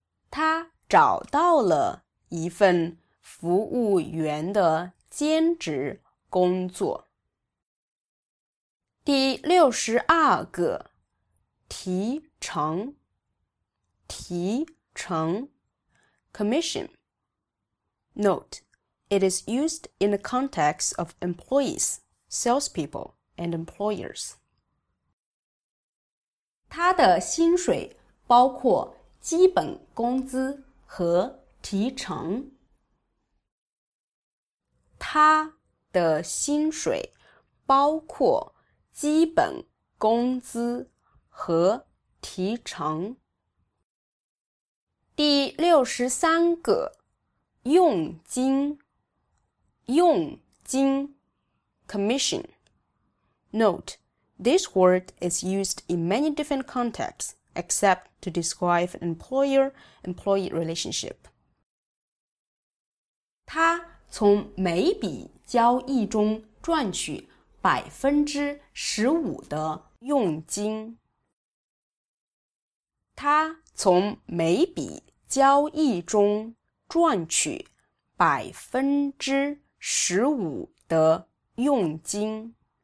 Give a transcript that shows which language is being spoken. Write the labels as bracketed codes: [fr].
[zh] 他找到了一份服务员的兼职工作。第六十二个，提成，提成 ，commission。 [en] Note, it is used in the context of employees, salespeople, and employers. [zh] 他的薪水包括基本工资和提成。他的薪水包括基本工资和提成。第63个，佣金，佣金 ，commission。 [en] Note, this word is used in many different contexts, except to describe an employer-employee relationship. [zh] 他从每笔交易中赚取15%的佣金。他从每笔交易中赚取15%的佣金。